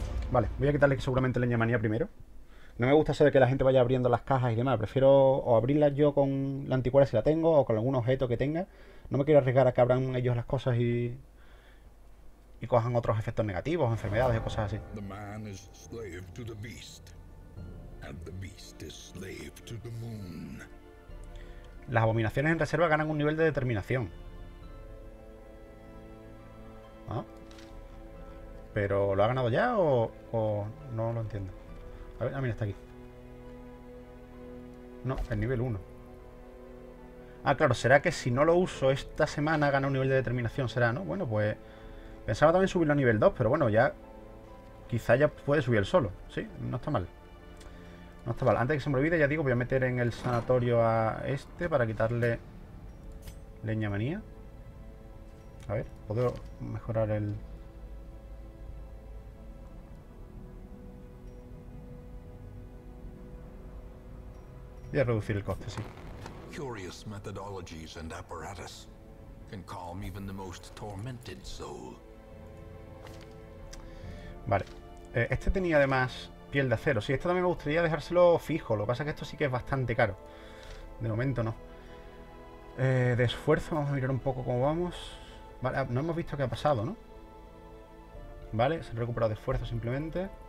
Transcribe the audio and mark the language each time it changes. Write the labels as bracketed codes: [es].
[es] Vale, voy a quitarle seguramente leñamanía primero. No me gusta eso de que la gente vaya abriendo las cajas y demás. Prefiero o abrirlas yo con la anticuera si la tengo o con algún objeto que tenga. No me quiero arriesgar a que abran ellos las cosas y... Y cojan otros efectos negativos, enfermedades y cosas así. [en] The man is slave to the beast. And the beast is slave to the moon. [es] Las abominaciones en reserva ganan un nivel de determinación. ¿Ah? ¿Pero lo ha ganado ya o no lo entiendo? A ver, ah, mira, está aquí. No, el nivel 1. Ah, claro, ¿será que si no lo uso esta semana gana un nivel de determinación? ¿Será, no? Bueno, pues... Pensaba también subirlo a nivel 2, pero bueno, ya... Quizá ya puede subir el solo, ¿sí? No está mal. No está mal. Antes de que se me olvide, ya digo, voy a meter en el sanatorio a este para quitarle leña manía. A ver, ¿puedo mejorar el...? Voy a reducir el coste, sí. [en] Curious methodologies and apparatus can calm even the most tormented soul. [es] Vale, este tenía además piel de acero. Sí, esto también me gustaría dejárselo fijo. Lo que pasa es que esto sí que es bastante caro. De momento no. De esfuerzo, vamos a mirar un poco cómo vamos. Vale, no hemos visto qué ha pasado, ¿no? Vale, se ha recuperado de esfuerzo simplemente.